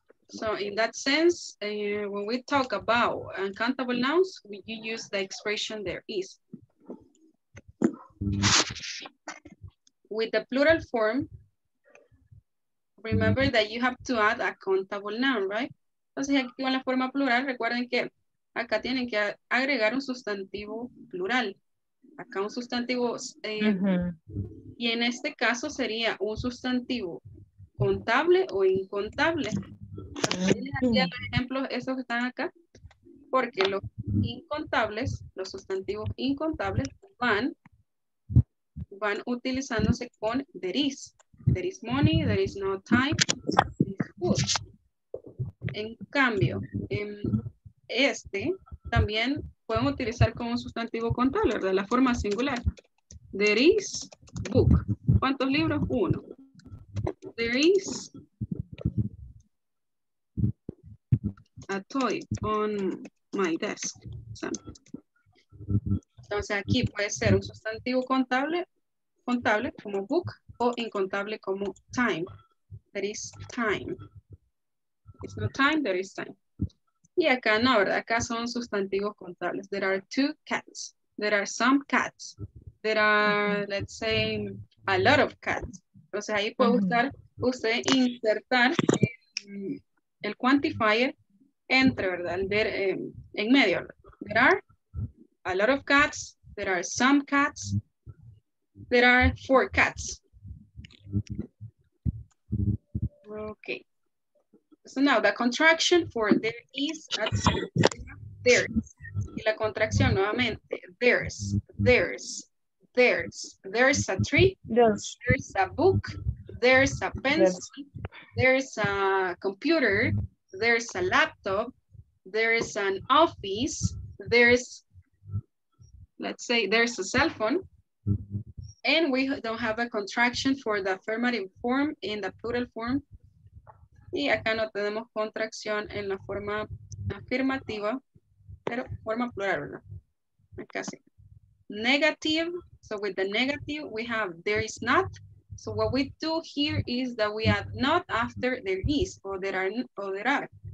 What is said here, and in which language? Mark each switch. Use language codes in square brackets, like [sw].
[en] So in that sense, when we talk about uncountable nouns, we use the expression there is. With the plural form, remember that you have to add a countable noun, right? [es] Entonces aquí con la forma plural, recuerden que acá tienen que agregar un sustantivo plural. Acá un sustantivo, y en este caso sería un sustantivo contable o incontable. Les hacía los ejemplos esos que están acá, porque los incontables, los sustantivos incontables van utilizándose con there is. [en] There is money, there is no time, there is food. [es] En cambio, este también podemos utilizar como un sustantivo con tal, ¿verdad? La forma singular. [en] There is book. [es] ¿Cuántos libros? Uno. [en] There is a toy on my desk. [es] Entonces aquí puede ser un sustantivo contable como book o incontable como time. [en] There is time. It's not time, there is time. [es] Y acá no, ¿verdad? Acá son sustantivos contables. [en] There are two cats. There are some cats. There are, let's say, a lot of cats. [es] Entonces ahí puede usar usted insertar el quantifier entre, ¿verdad? En medio. [en] There are a lot of cats. There are some cats. There are four cats. Okay. So now the contraction for there is at there. [es] Y la contracción nuevamente. [en] There's, there's. There's, there's a tree, yes. There's a book, there's a pencil, yes. There's a computer, there's a laptop, there's an office, there's, let's say, there's a cell phone, and we don't have a contraction for the affirmative form in the plural form. [es] Y acá no tenemos contracción en la forma afirmativa, pero forma plural, ¿no? Acá sí. [en] Negative, so with the negative we have there is not. So what we do here is that we add not after there is or there are or there are.